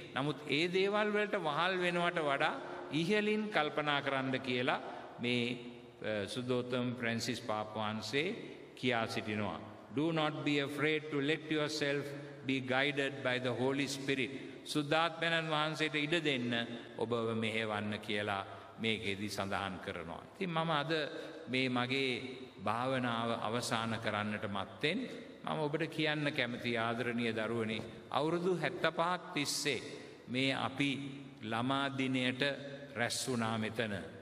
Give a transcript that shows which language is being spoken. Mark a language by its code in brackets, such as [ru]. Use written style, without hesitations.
[si] නමුත් ඒ දේවල් වලට වහල් වෙනවට වඩා ඉහලින් කල්පනා කරන්න කියලා මේ සුද්ධෝත්තම ෆ්‍රැන්සිස් පාප් වහන්සේ කියා සිටිනවා. [en] Do not be afraid to let yourself be guided by the Holy Spirit. [si] සුද්ධාත්මයන් වහන්සේට ඉඩ දෙන්න ඔබව මෙහෙවන්න කියලා මේකෙදි සඳහන් කරනවා. ඉතින් මම අද මේ මගේ භාවනාව අවසන් කරන්නට මත්තෙන් මම ඔබට කියන්න කැමති ආදරණීය දරුවනි අවුරුදු 75ක් තිස්සේ මේ අපි ළමා දිනයට රැස් වුණා මෙතන.